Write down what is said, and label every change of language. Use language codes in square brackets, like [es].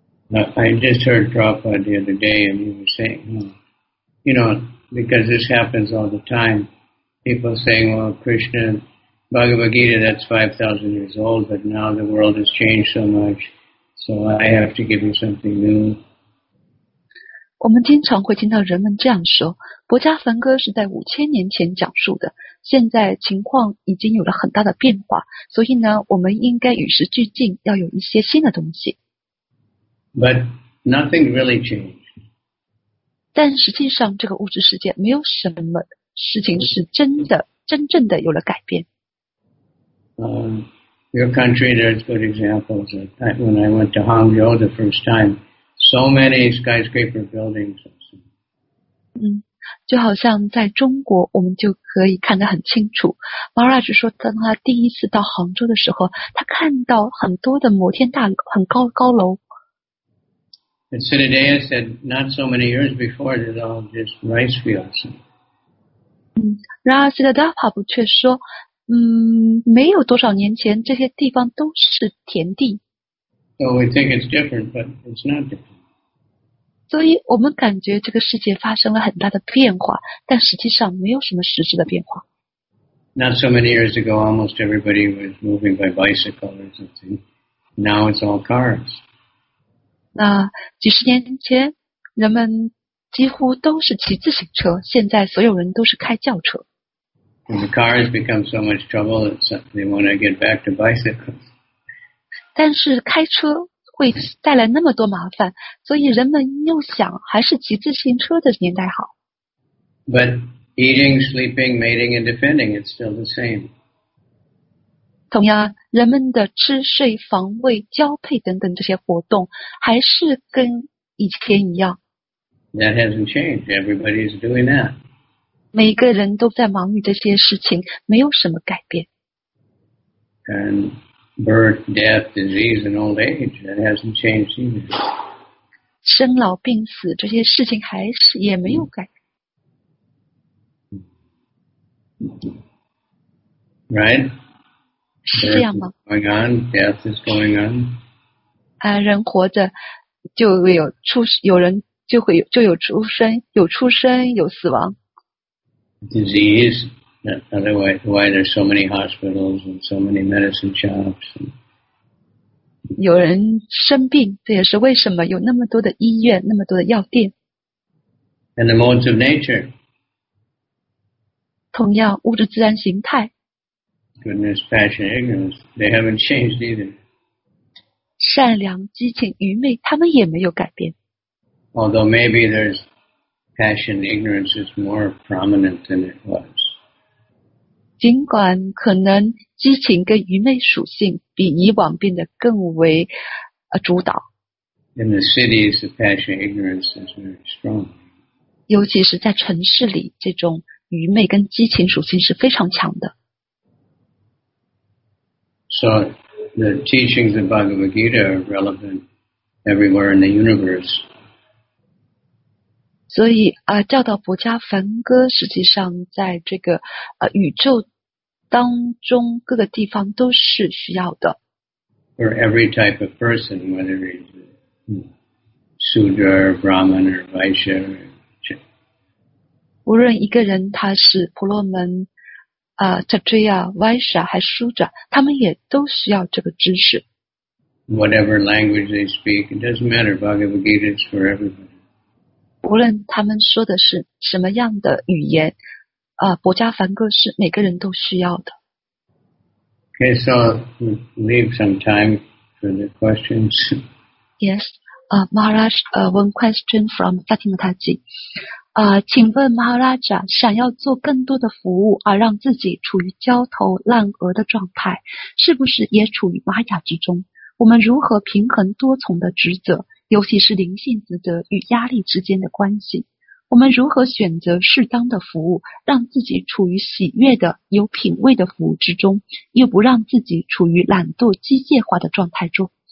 [en] I just heard Prabhupada the other day and he was saying, you know, because this happens all the time. People saying, well, Krishna, Bhagavad Gita, that's 5,000 years old, but now the world has changed so much, so I have to give you something new. [zh] 我们经常会听到人们这样说，博迦梵歌是在5000年前讲述的，现在情况已经有了很大的变化，所以呢，我们应该与时俱进，要有一些新的东西。 [en] But nothing really changed. [zh] 但实际上这个物质世界没有什么事情是真的，真正的有了改变。 [en] Your country, there's good examples. When I went to Hangzhou the first time, so many skyscraper buildings. [zh] 就好像在中国，我们就可以看得很清楚。 Maharaj 说，当他第一次到杭州的时候，他看到很多的摩天大楼，很高高楼。 [en] And Sinodea said, not so many years before, it was all just rice fields. [zh] 然而 Siddhartha 却说，没有多少年前，这些地方都是田地。 [en] So we think it's different, but it's not different. [zh] 所以我们感觉这个世界发生了很大的变化，但实际上没有什么实质的变化。 [en] Not so many years ago, almost everybody was moving by bicycle or something. Now it's all cars. [zh] 那几十年前，人们几乎都是骑自行车，现在所有人都是开轿车。 [en] And the cars become so much trouble that they want to get back to bicycles. [zh] 但是开车会带来那么多麻烦，所以人们又想还是骑自行车的年代好。 [en] But eating, sleeping, mating, and defending, it's still the same. [zh] 同样，人们的吃、睡、防卫、交配等等这些活动还是跟以前一样。 [en] That hasn't changed. Everybody is doing that. [zh] 每个人都在忙于这些事情，没有什么改变。 [en] And... Birth, death, disease, and old age, that hasn't changed either. [zh] 生老病死这些事情还是也没有改变。 [en] Right? [zh] 是这样吗 [en] Birth is going on, death is going on. [zh] 人活着就有出有人就会有就有出生有出生有死亡。 [en] Disease. Otherwise, why there's so many hospitals and so many medicine shops? [zh] 有人生病，这也是为什么有那么多的医院，那么多的药店。 [en] And the modes of nature. [zh] 同样，物质自然形态。 [en] Goodness, passion, ignorance, they haven't changed either. [zh] 善良、激情、愚昧，他们也没有改变。 [en] Although maybe there's passion, ignorance is more prominent than it was. [zh] 尽管可能激情跟愚昧属性比以往变得更为主导。 [en] In the cities, the passion ignorance is very strong. [zh] 尤其是在城市里，这种愚昧跟激情属性是非常强的。 [en] So the teachings of Bhagavad Gita are relevant everywhere in the universe. [zh] 所以教导博迦梵歌实际上在这个宇宙当中各个地方都是需要的。 [en] For every type of person, whether he's a Sudra, Brahman, or Vaishya. [zh] 无论一个人他是婆罗门、Kshatriya, Vaishya, 还是 Sudra, 他们也都需要这个知识。 [en] Whatever language they speak, it doesn't matter. Bhagavad Gita is for everyone. [zh] 无论他们说的是什么样的语言，博迦梵歌是每个人都需要的。 [en] Okay, so leave some time for the questions. Yes, Maharaj, one question from Fatima Taji. [zh] 请问 Maharaj, 想要做更多的服务而让自己处于焦头烂额的状态，是不是也处于玛雅之中？我们如何平衡多重的职责？尤其是灵性职责与压力之间的关系，我们如何选择适当的服务，让自己处于喜悦的、有品味的服务之中，又不让自己处于懒惰、机械化的状态中？